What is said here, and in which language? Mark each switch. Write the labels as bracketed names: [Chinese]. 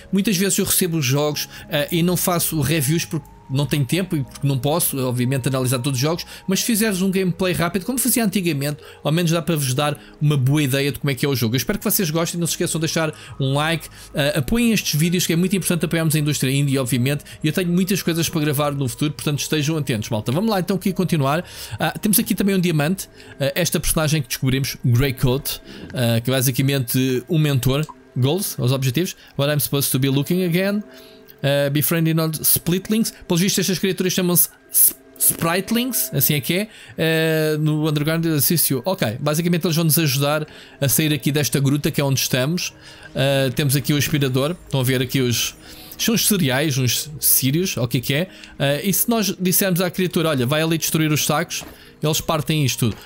[Portuguese] Muitas vezes eu recebo os jogos e não faço reviews porque não tenho tempo e porque não posso, obviamente, analisar todos os jogos, mas se fizeres um gameplay rápido, como fazia antigamente, ao menos dá para vos dar uma boa ideia de como é que é o jogo. Eu espero que vocês gostem, não se esqueçam de deixar um like, apoiem estes vídeos, que é muito importante apoiarmos a indústria indie, obviamente, e eu tenho muitas coisas para gravar no futuro, portanto estejam atentos, malta. Vamos lá então aqui continuar. Temos aqui também um diamante, esta personagem que descobrimos, Greycoat, que é basicamente um mentor. Goals, os objetivos. [English] What I'm supposed to be looking again. Befriending on Splitlings. [Portuguese] Pelo visto, estas criaturas chamam-se Spritelings, assim é que é. No Underground Assistio. Ok, basicamente eles vão nos ajudar a sair aqui desta gruta que é onde estamos. Temos aqui o aspirador. Estão a ver aqui os... são os cereais, uns sírios, o que é que é. E se nós dissermos à criatura, olha, vai ali destruir os sacos, eles partem isto tudo.